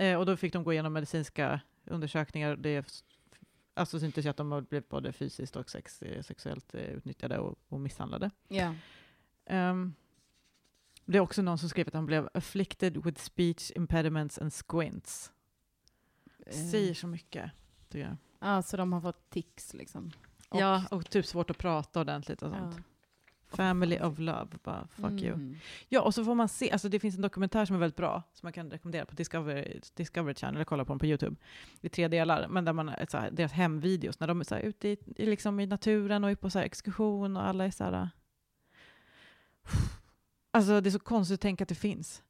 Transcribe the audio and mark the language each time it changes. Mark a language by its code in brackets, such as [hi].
[sv] Och då fick de gå igenom medicinska undersökningar. Det alltså syntes ju att de blev både fysiskt och sexuellt utnyttjade och misshandlade. [en] Yeah. [sv] Det är också någon som skrev att han blev [en] afflicted with speech impediments and squints. [sv] Säger så mycket. Ja, alltså de har fått tics liksom. Och, ja, och typ svårt att prata ordentligt och sånt. Ja. [en] Family of love, bara fuck you. [sv] Ja, och så får man se, alltså det finns en dokumentär som är väldigt bra, som man kan rekommendera på Discovery Channel, eller kolla på den på YouTube. I tre delar, men där man är så här, deras hemvideos, när de är så här ute i liksom i naturen och är på så här exkursion och alla är så här. Alltså det är så konstigt att tänka att det finns.